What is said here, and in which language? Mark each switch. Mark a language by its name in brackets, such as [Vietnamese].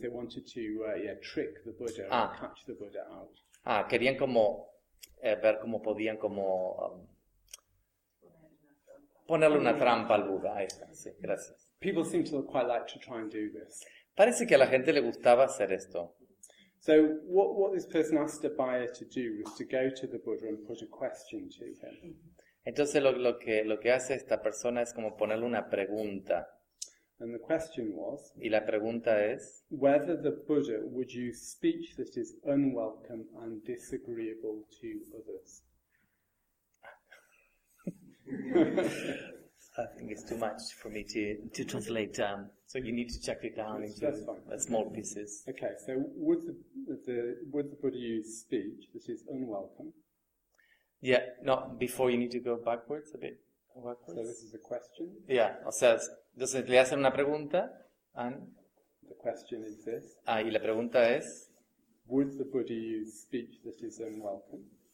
[English] They wanted to trick the Buddha and catch the Buddha out. [Spanish] Querían como ver cómo podían como ponerle una trampa al Buda. Ahí está. Sí, gracias. [English] People seem to quite like to try and do this. [Spanish] Parece que a la gente le gustaba hacer esto. [English] So what this person asked Abhaya to do was to go to the Buddha and put a question to him. [Spanish] Entonces lo que hace esta persona es como ponerle una pregunta. [English] And the question was. [Spanish] Y la pregunta es. [English] Whether the Buddha would use speech that is unwelcome and disagreeable to others. I think it's too much for me to translate. So you need to chuck it down into small pieces. Okay. So would the Buddha use speech that is unwelcome? Yeah. No. Before you need to go backwards a bit. Backwards. So this is a question. Yeah. [Spanish] O sea, entonces le hacen una pregunta. [English] And the question is this. [Spanish] Ah, y la pregunta es. [English] Would the Buddha use speech that is unwelcome?